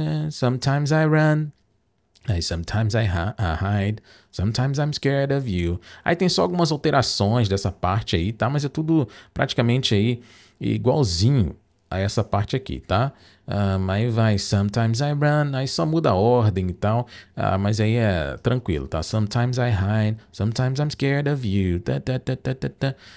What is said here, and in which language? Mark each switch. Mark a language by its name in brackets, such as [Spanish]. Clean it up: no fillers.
[English] Sometimes I run, sometimes I hide, sometimes I'm scared of you. [Portuguese] Aí tem só algumas alterações dessa parte aí, tá? Mas é tudo praticamente aí igualzinho a essa parte aqui, tá? Aí vai, [English] sometimes I run, [Portuguese] aí só muda a ordem e tal, mas aí é tranquilo, tá? [English] Sometimes I hide, sometimes I'm scared of you, ta-ta-ta-ta-ta.